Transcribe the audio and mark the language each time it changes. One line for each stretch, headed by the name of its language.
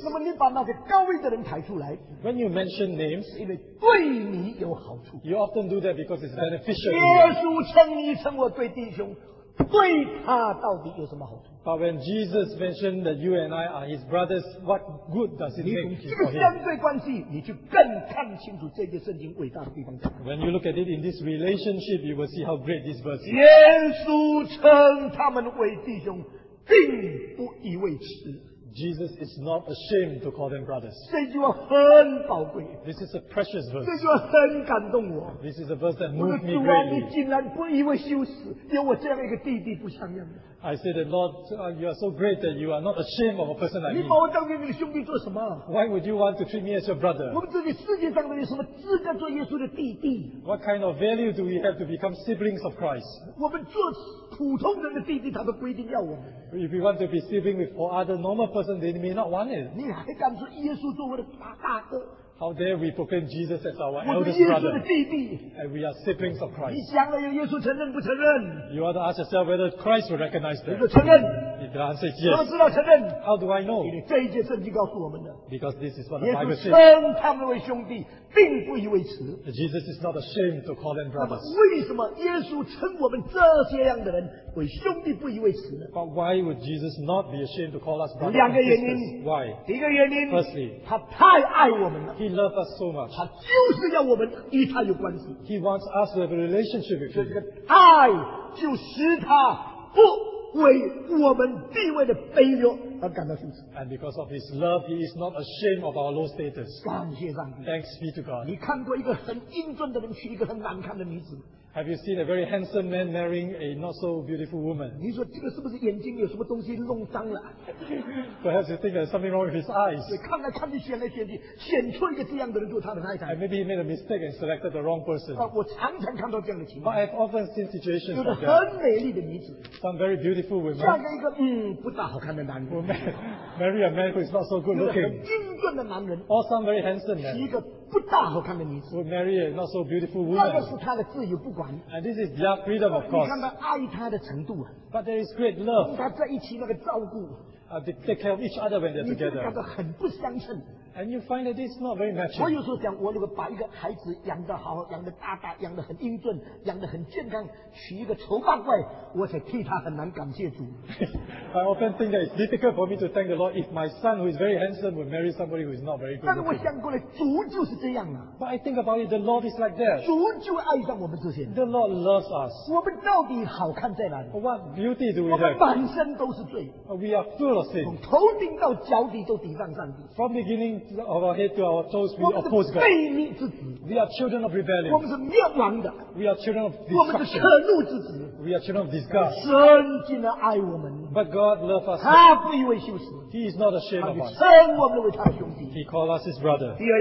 Chinese: 那么你把那个高位的人抬出来，
English: when you mention names,
Chinese: 因为对你有好处。
English: You often do that because it's beneficial.
Chinese: 耶稣称你称我对弟兄，对他到底有什么好处？
English: But when Jesus mentioned that you and I are his brothers, what good does it make for him?
Chinese: 这个相对关系，你就更看清楚这个圣经伟大的地方。
English: When you look at it in this relationship, you will see how great this verse is.
Chinese: 耶稣称他们为弟兄，并不以为耻。
English: Jesus is not ashamed to call them brothers.
Chinese: 这句话很宝贵。
English: This is a precious verse.
Chinese: 这句话很感动我。
English: This is a verse that moved me greatly.
Chinese: 你竟然不以为羞耻，有我这样一个弟弟不像样的。
English: I say that Lord, you are so great that you are not ashamed of a person like me.
Chinese: 你把我当成你的兄弟做什么？
English: Why would you want to treat me as your brother?
Chinese: 我们这里世界上有什么资格做耶稣的弟弟？
English: What kind of value do we have to become siblings of Christ?
Chinese: 我们做普通人的弟弟，他都不一定要我们。
English: If we want to be sibling with all other normal person, they may not want it.
Chinese: 你还敢说耶稣做我的大哥？
English: How dare we proclaim Jesus as our eldest brother?
Chinese: 我们耶稣的弟弟。
English: And we are siblings of Christ.
Chinese: 你将来有耶稣承认不承认？
English: You want to ask yourself whether Christ will recognize that?
Chinese: 如果承认。
English: If the answer is yes.
Chinese: 我知道承认。
English: How do I know?
Chinese: 因为这一节圣经告诉我们的。
English: Because this is what the Bible says.
Chinese: 耶稣称他们为兄弟，并不以为耻。
English: Jesus is not ashamed to call them brothers.
Chinese: 为什么耶稣称我们这些样的人为兄弟不以为耻呢？
English: But why would Jesus not be ashamed to call us brothers?
Chinese: 两个原因。
English: Why?
Chinese: 第一个原因。
English: Firstly,
Chinese: 他太爱我们了。
English: He loves us so much.
Chinese: 他就是要我们与他有关系。
English: He wants us to have a relationship with him.
Chinese: 这个爱就使他不为我们地位的卑劣。
English: And because of his love, he is not ashamed of our low status.
Chinese: 感谢上帝。
English: Thanks be to God.
Chinese: 你看过一个很英俊的人取一个很难看的名字。
English: Have you seen a very handsome man marrying a not so beautiful woman?
Chinese: 你说这个是不是眼睛有什么东西弄脏了？
English: Perhaps you think there's something wrong with his eyes.
Chinese: 对，看来看去，选来选去，选出一个这样的人做他的太太。
English: And maybe he made a mistake and selected the wrong person.
Chinese: 我常常看到这样的情况。
English: But I've often seen situations like that.
Chinese: 有很美丽的女子。
English: Some very beautiful women.
Chinese: 嫁给一个不大好看的男人。
English: Marry a man who is not so good looking.
Chinese: 有个很英俊的男人。
English: Or some very handsome man.
Chinese: 一个不大好看的女子。
English: Would marry a not so beautiful woman.
Chinese: 那个是他的自由，不管。
English: And this is their freedom, of course.
Chinese: 你看他爱他的程度啊。
English: But there is great love.
Chinese: 他在一起那个照顾。
English: They take care of each other when they're together.
Chinese: 你觉得很不相称。
English: And you find that this is not very matching.
Chinese: 我有时候想，我如果把一个孩子养得好，养得大大，养得很英俊，养得很健康，娶一个丑八怪，我才替他很难感谢主。
English: I often think that it's difficult for me to thank the Lord if my son, who is very handsome, would marry somebody who is not very good.
Chinese: 但是我想过来，主就是这样啊。
English: But I think about it, the Lord is like that.
Chinese: 主就爱上我们这些。
English: The Lord loves us.
Chinese: 我们到底好看在哪里？
English: What beauty do we have?
Chinese: 我们满身都是罪。
English: We are full of sin.
Chinese: 从头顶到脚底都抵挡上帝。
English: From beginning. Of our head to our toes, we oppose God. We are children of rebellion. We are children of destruction. We are children of disgust. But God loves us. He is not ashamed of us. He called us his brother.